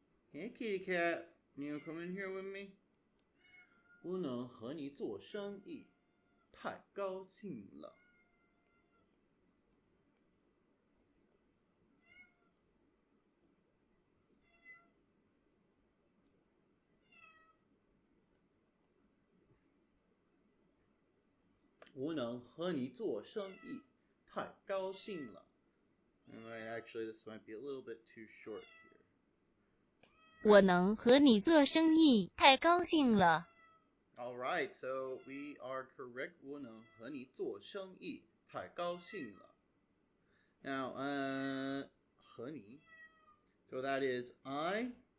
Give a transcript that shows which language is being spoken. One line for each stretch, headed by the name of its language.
English: Hey, kitty cat, you come in here with me?
Chinese: 我能和你做生意, 太高兴了。我能和你做生意, 太高兴了。
English: Right, actually, this might be a little bit too short.
Chinese: 我能和你做生意，太高兴了。
English: Alright, so we are correct.
Chinese: 我能和你做生意，太高兴了。
English: Now,
Chinese: 和你,
English: so that is I,